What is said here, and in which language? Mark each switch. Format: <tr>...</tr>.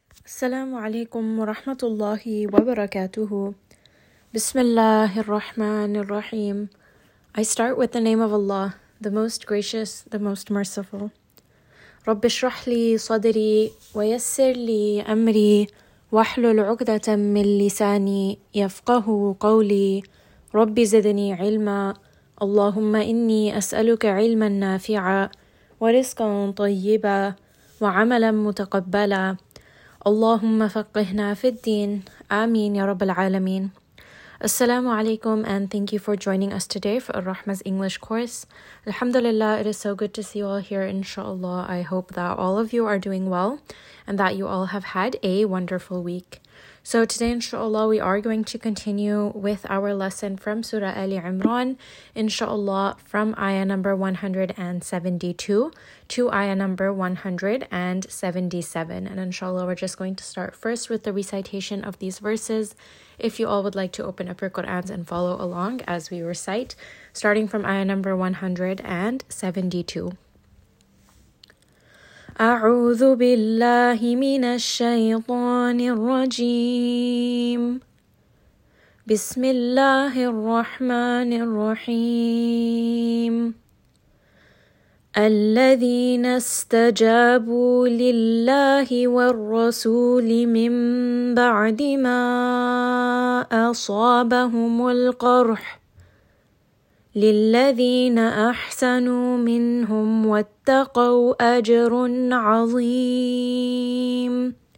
<ar>السلام عليكم ورحمة الله وبركاته. بسم الله الرحمن الرحيم.</ar> <en>I start with the name of Allah, the most gracious, the most merciful.</en> <ar>رب اشرح لي صدري ويسر لي أمري واحلل عقدة من لساني يفقه قولي رب زدني علما اللهم إني أسألك علما نافعا ورزقا طيبا وعملا متقبلا اللهم فقهنا في الدين آمين يا رب العالمين.</ar> <en>Assalamu alaikum and thank you for joining us today for Ar-Rahma's English course. Alhamdulillah, it is so good to see you all here, inshallah. I hope that all of you are doing well and that you all have had a wonderful week. So today, inshallah, we are going to continue with our lesson from Surah Ali Imran, inshallah, from ayah number 172 to ayah number 177. And inshallah, we're just going to start first with the recitation of these verses. If you all would like to open up your Qur'ans and follow along as we recite, starting from ayah number 172.</en> <ar>أعوذ بالله من الشيطان الرجيم بسم الله الرحمن الرحيم الذين استجابوا لله والرسول من بعد ما أصابهم القرح للذين أحسنوا منهم واتقوا أجر عظيم</ar>